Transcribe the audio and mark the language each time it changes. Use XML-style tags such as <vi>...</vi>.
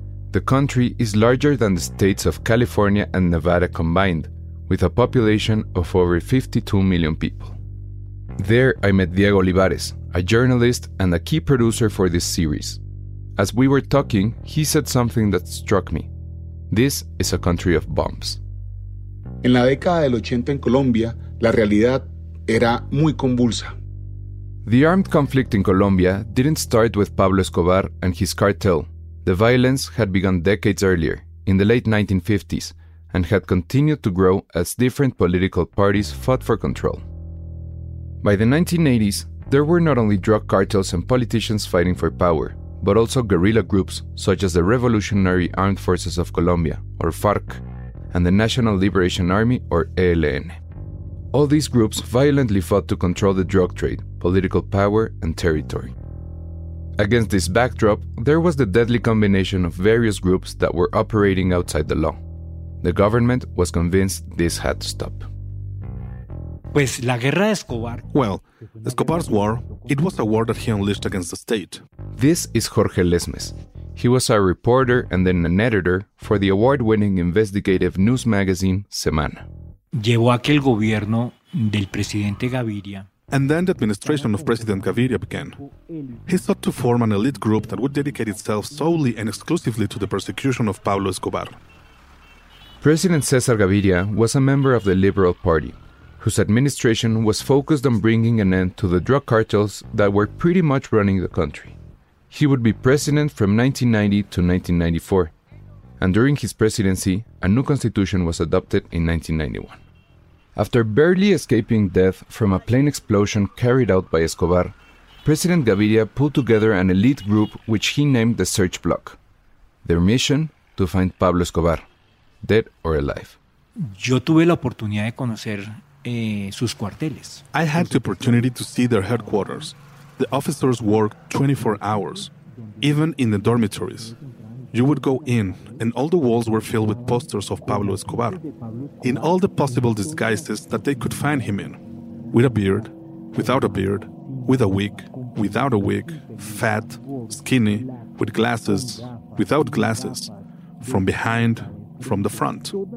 <en>The country is larger than the states of California and Nevada combined, with a population of over 52 million people. There, I met Diego Olivares, a journalist and a key producer for this series. As we were talking, he said something that struck me. This is a country of bombs.</en> <es>En la década del 80 en Colombia, la realidad era muy convulsa.</es> <en>The armed conflict in Colombia didn't start with Pablo Escobar and his cartel. The violence had begun decades earlier, in the late 1950s, and had continued to grow as different political parties fought for control. By the 1980s, there were not only drug cartels and politicians fighting for power, but also guerrilla groups such as the Revolutionary Armed Forces of Colombia, or FARC, and the National Liberation Army, or ELN. All these groups violently fought to control the drug trade, political power, and territory. Against this backdrop, there was the deadly combination of various groups that were operating outside the law. The government was convinced this had to stop. Well, Escobar's war, it was a war that he unleashed against the state. This is Jorge Lesmes. He was a reporter and then an editor for the award-winning investigative news magazine Semana.</en> <es>Llevó a que el gobierno del presidente Gaviria.</es> <en>And then the administration of President Gaviria began. He sought to form an elite group that would dedicate itself solely and exclusively to the persecution of Pablo Escobar. President César Gaviria was a member of the Liberal Party, whose administration was focused on bringing an end to the drug cartels that were pretty much running the country. He would be president from 1990 to 1994, and during his presidency, a new constitution was adopted in 1991. After barely escaping death from a plane explosion carried out by Escobar, President Gaviria pulled together an elite group which he named the Search Bloc. Their mission? To find Pablo Escobar, dead or alive.</en> <es>Yo tuve la oportunidad de conocer sus cuarteles.</es> <en>I had the opportunity to see their headquarters. The officers worked 24 hours, even in the dormitories. You would go in, and all the walls were filled with posters of Pablo Escobar, in all the possible disguises that they could find him in. With a beard, without a beard, with a wig, without a wig, fat, skinny, with glasses, without glasses, from behind, from the front.</en>